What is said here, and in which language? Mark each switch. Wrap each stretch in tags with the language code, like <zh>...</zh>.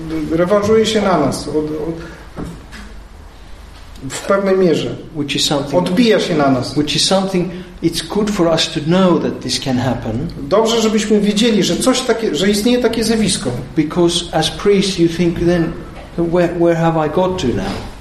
<pl>Rewanżuje się na nas w pewnej mierze.</pl> <en>Which is something.</en> <pl>Odbija się na nas.</pl> <en>Which is something. It's good for us to know that this can happen.</en> <pl>Dobrze, żebyśmy wiedzieli, że coś takie, że istnieje takie zjawisko.</pl> <en>Because as priests, you think then, where have I got to now?</en>